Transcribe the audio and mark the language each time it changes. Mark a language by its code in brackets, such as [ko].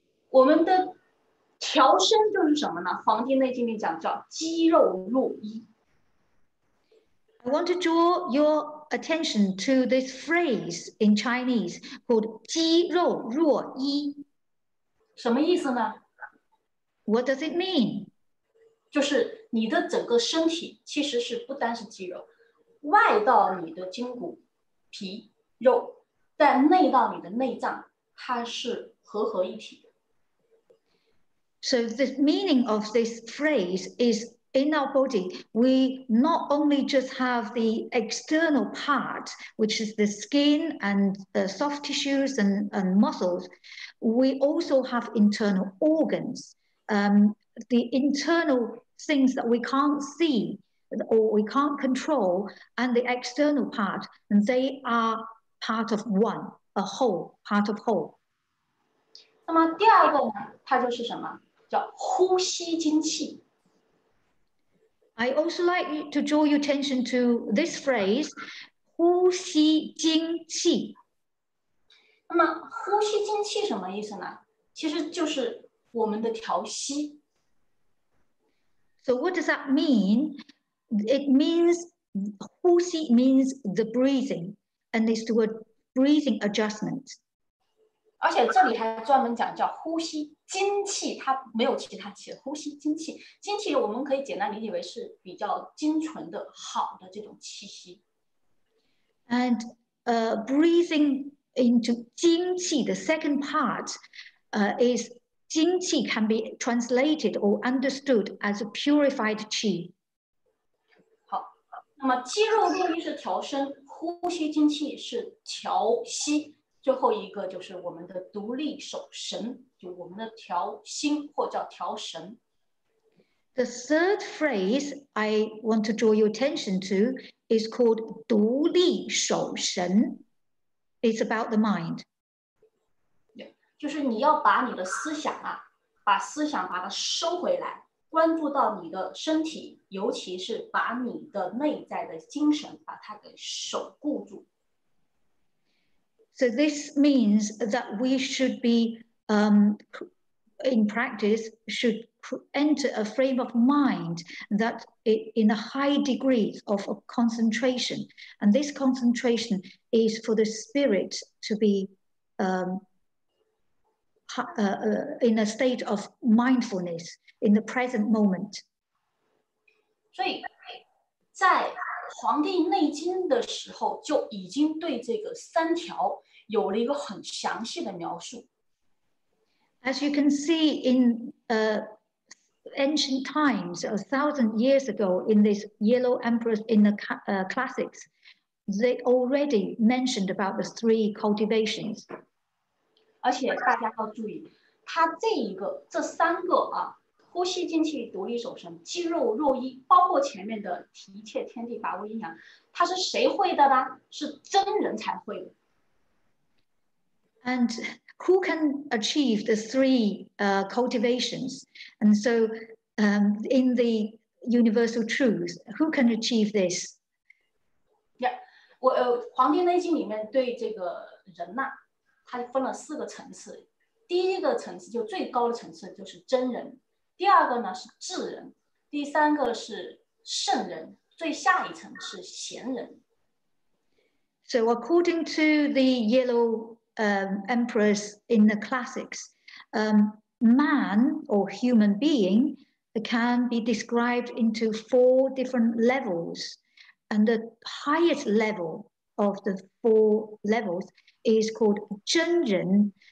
[zh] 我们的调身就是什么呢？《黄帝内经》里讲叫肌肉若一。 [en] I want to draw your attention to this phrase in Chinese called 肌肉若一。 [zh] 什么意思呢 [en] ？What does it mean？ [zh] 就是你的整个身体其实是不单是肌肉，外到你的筋骨、皮肉，但内到你的内脏，它是合合一体。 [en] So the meaning of this phrase is In our body, we not only just have the external part, which is the skin and the soft tissues and muscles, we also have internal organs. The internal things that we can't see or we can't control, and the external part, and they are part of one, a whole, part of whole. [zh] 那么第二个呢，它就是什么？叫呼吸精气。 [en] I also like to draw your attention to this phrase, 呼吸精气。 [zh] 那么呼吸精气什么意思呢？其实就是我们的调息。 [en] So what does that mean? It means, 呼吸 means the breathing, and it's to a breathing adjustment. [zh] 而且这里还专门讲叫呼吸精气，它没有其他气，呼吸精气。精气我们可以简单理解为是比较精纯的好的这种气息。 [en] And breathing into 精气, the second part, is 精气 can be translated or understood as a purified qi. [zh] 好，那么肌肉用于是调身，呼吸精气是调息。最后一个就是我们的独立守神，就我们的调心或叫调神。 [en] The third phrase I want to draw your attention to is called 独立守神。 It's about the mind. [zh] 就是你要把你的思想啊，把思想把它收回来，关注到你的身体，尤其是把你的内在的精神把它给守固住。 [en] So this means that we should be, in practice, should enter a frame of mind that in a high degree of concentration. And this concentration is for the spirit to be in a state of mindfulness in the present moment. [zh] 所以在《黄帝内经》的时候就已经对这个三条有了一个很详细的描述。 [en] As you can see in ancient times, a thousand years ago, in this Yellow Emperor's in the classics, they already mentioned about the three cultivations. [zh] 而且大家要注意，它这一个、这三个啊，呼吸精气、独立守神、肌肉若一，包括前面的提切天地法无阴阳，它是谁会的呢？是真人才会的。 [en] And who can achieve the three cultivations? And so in the universal truth, who can achieve this? [zh] Yeah, 我《黄帝内经》里面对这个人呐、啊，它分了四个层次。第一个层次就最高的层次就是真人，第二个呢是智人，第三个是圣人，最下一层是贤人。 [en] So according to the yellow emperors in the classics, man or human being can be described into four different levels, and the highest level of the four levels is called 真人.